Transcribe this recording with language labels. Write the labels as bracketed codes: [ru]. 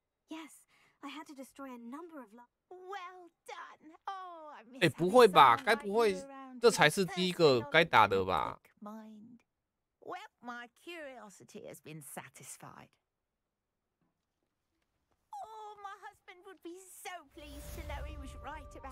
[en] Yes, I had to destroy a number of. Well done. Oh, I'm. [zh] 哎，不会吧？该不会这才是第一个该打的吧 [en] ？Well, my curiosity has been satisfied. Oh, my husband would be so pleased to know he was right about.